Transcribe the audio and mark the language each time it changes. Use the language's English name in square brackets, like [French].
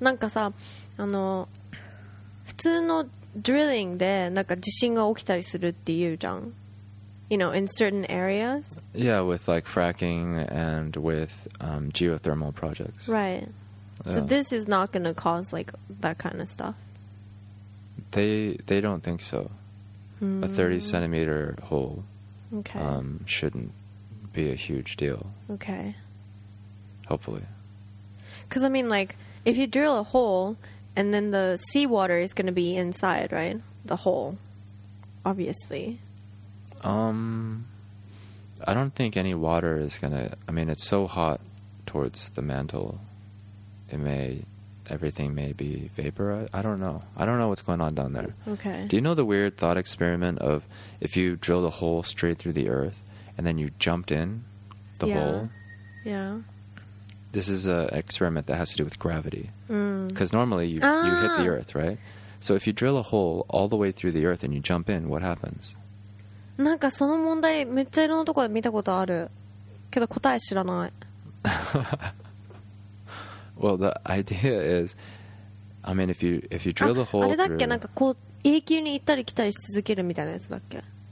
[Japanese] なんかさ、あの、普通のドリリングでなんか地震が起きたりするっていうじゃん。 [English] You know, in certain areas? Yeah, with, like, fracking and with geothermal projects. Right. Yeah. So this is not going to cause, like, that kind of stuff? They don't think so. Mm. A 30-centimeter hole okay. Shouldn't be a huge deal. Okay. Hopefully. Because, I mean, like, if you drill a hole, and then the seawater is going to be inside, right? The hole. Obviously. I don't think any water is gonna. I mean, it's so hot towards the mantle. Everything may be vapor. I don't know. I don't know what's going on down there. Okay. Do you know the weird thought experiment of if you drilled a hole straight through the earth and then you jumped in the hole? Yeah. This is an experiment that has to do with gravity. Because normally you hit the earth, right? So if you drill a hole all the way through the earth and you jump in, what happens? [Japanese] なんかその問題めっちゃいろんなところで見たことあるけど答え知らない [English] Well, the idea is I mean, if you drill the hole [Japanese] あれだっけ、なんかこう永久に行ったり来たりし続けるみたいなやつだっけ